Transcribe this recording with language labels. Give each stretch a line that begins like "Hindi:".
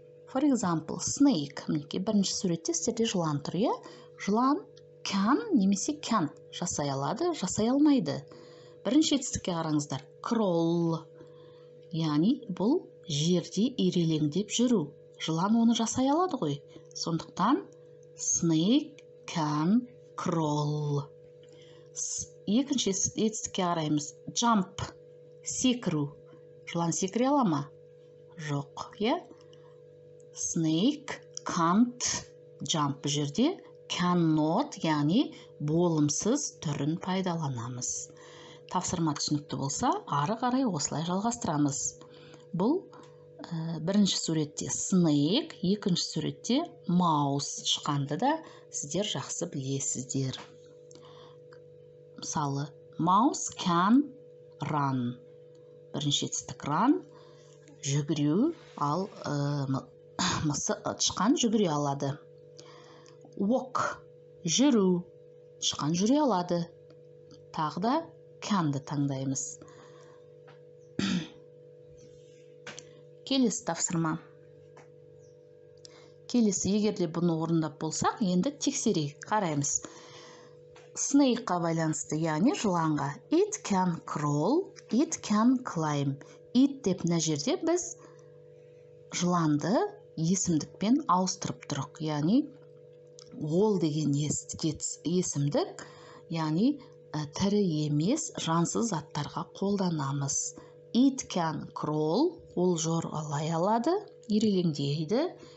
English: For example, snake.
Kazakh: Мінекей бірінші суретте сіздерде жылан тұр, я? Жылан can немесе can't жасай алады, жасай алмайды. Бірінші етістікке қараңыздар.
English: Crawl.
Kazakh: Яғни бұл жерде ирелеңдеп жүру. Жылан оны жасай алады ғой.
English: Сондықтан snake can crawl.
Kazakh: Екінші етістікке қараймыз. Jump. Секіру. Жылан секіре ала ма? Жоқ. Yeah?
English: Snake can't jump.
Kazakh: Жерде cannot, яғни болымсыз түрін пайдаланамыз. Тапсырма түсінікті болса, ары қарай осылай жалғастырамыз. Бұл бірінші суретте snake, екінші суретте mouse шыққанды да сіздер жақсы білесіздер.
English: Мысалы, mouse can run.
Kazakh: Бірінші етістік run, жүгіру, ал мысы шыққан жүгіре алады. Walk, жүру, шыққан жүре алады. Тағы да can-ды таңдаймыз. Келесі тапсырма. Келесі, егер де бұны орындап болсақ, енді тексерейік, қараймыз. Snake-қа байланысты, яғни жыланға.
English: It can crawl, it can climb.
Kazakh: It деп мына жерде біз жыланды есімдікпен ауыстырып тұрық. Яғни ол деген есімдік, яғни тірі емес жансыз заттарға қолданамыз.
English: It can crawl,
Kazakh: ол жорғалай алады, ирелеңдейді.